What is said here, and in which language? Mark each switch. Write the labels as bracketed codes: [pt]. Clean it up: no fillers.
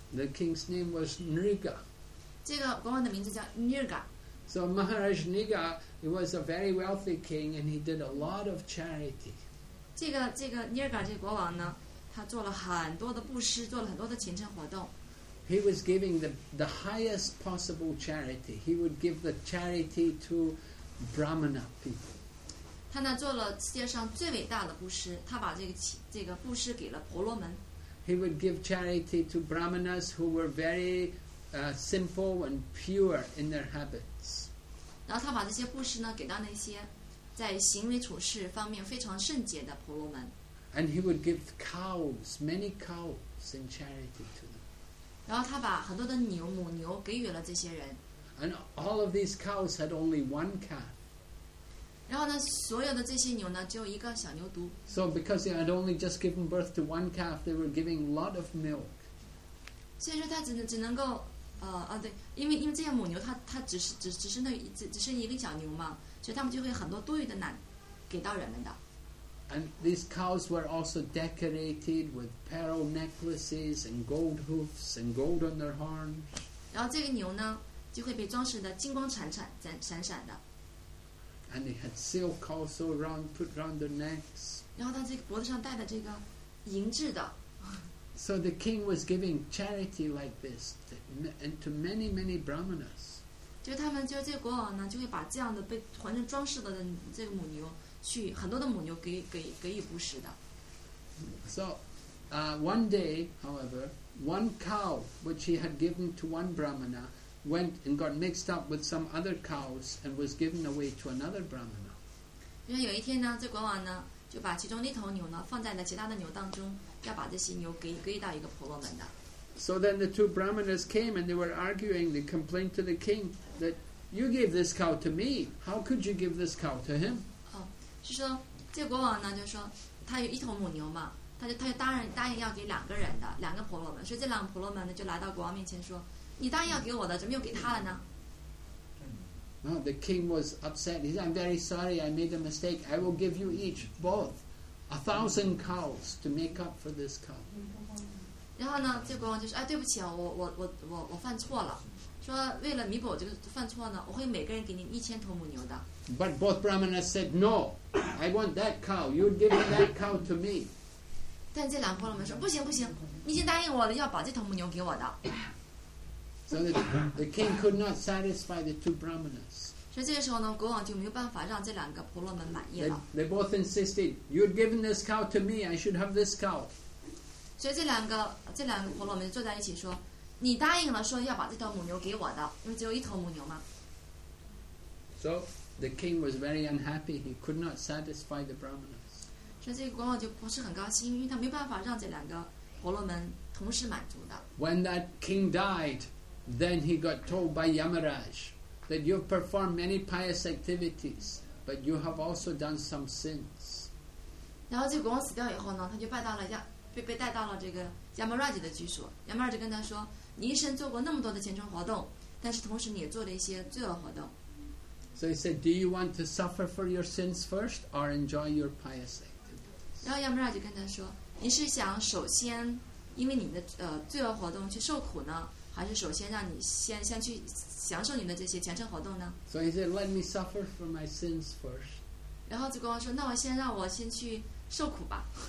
[en] The king's name was Nriga. [zh] 这个国王的名字叫 Nriga. [en] So Maharaj Nriga, he was a very wealthy king, and he did a lot of charity. [zh] 这个 Nriga 这个国王呢，他做了很多的布施，做了很多的虔诚活动。 [en] He was giving the highest possible charity. He would give the charity to Brahmana people. [zh] 他呢做了世界上最伟大的布施，他把这个布施给了婆罗门。 [en] He would give charity to Brahmanas who were very simple and pure in their habits. [zh] 然后他把这些布施呢给到那些在行为处事方面非常圣洁的婆罗门。 [en] And he would give cows, many cows in charity to them. [zh] 然后他把很多的牛母牛给予了这些人。 [en] And all of these cows had only one calf. [zh] 然后呢，所有的这些牛呢，只有一个小牛犊。 [en] So because they had only just given birth to one calf, they were giving a lot of milk. [zh] 所以说他只能够对，因为这些母牛它只是一个小牛嘛，所以他们就会很多多余的奶给到人们的。 [en] And these cows were also decorated with pearl necklaces and gold hoofs and gold on their horns. [zh] 然后这个牛呢，就会被装饰的金光闪闪的。 [en] And they had silk also put around their necks. [zh] 然后他这个脖子上戴的这个银质的。 [en] So the king was giving charity like this to many, many brahmanas. [zh] 就他们就这个国王呢，就会把这样的被浑身装饰的这个母牛。去很多的母牛给予布施的。 [en] So, one day, however, one cow which he had given to one brahmana went and got mixed up with some other cows and was given away to another brahmana. [zh] 因为有一天呢，这国王呢就把其中一头牛呢放在了其他的牛当中，要把这些牛给予到一个婆罗门的。 [en] So then the two brahmanas came and they were arguing. They complained to the king that you gave this cow to me. How could you give this cow to him? [zh] 就说这个、国王呢，就说他有一头母牛嘛，他就答应要给两个人的，两个婆罗门。所以这两个婆罗门呢，就来到国王面前说：“你答应要给我的，怎么又给他了呢？” [en] Now the king was upset. He said, "I'm very sorry. I made a mistake. I will give you each both 1,000 cows to make up for this cow." [zh] 然后呢，这个、国王就说：“哎，对不起啊，我犯错了。” 说为了弥补这个犯错呢，我会每个人给你1,000头母牛的。 [en] But both brahmanas said no. I want that cow. You give that cow to me. [zh] 但这两个婆罗门说不行不行，你已经答应我了，要把这头母牛给我的。 [en] So the king could not satisfy the two brahmanas. [zh] 所以这个时候呢，国王就没有办法让这两个婆罗门满意了。 [en] They both insisted. You've given this cow to me. I should have this cow. [zh] 所以这两个婆罗门坐在一起说。你答应了说要把这头母牛给我的，因为只有一头母牛嘛。 [en] So the king was very unhappy. He could not satisfy the brahmanas. [zh] 所以这个国王就不是很高兴，因为他没办法让这两个婆罗门同时满足的。 [en] When that king died, then he got told by Yamaraj that you've performed many pious activities, but you have also done some sins. [zh] 然后这个国王死掉以后呢，他就拜到了被带到了这个 Yamaraj 的居所。Yamaraj 跟他说。你一生做过那么多的虔诚活动，但是同时你也做了一些罪恶活动。 [en] So he said, "Do you want to suffer for your sins first, or enjoy your pious activities?" [zh] 然后亚摩拉就跟他说：“你是想首先因为你的罪恶活动去受苦呢，还是首先让你先去享受你的这些虔诚活动呢 [en] ？”So he said, "Let me suffer for my sins first." [zh] 然后就跟我说：“那我先让我先去受苦吧。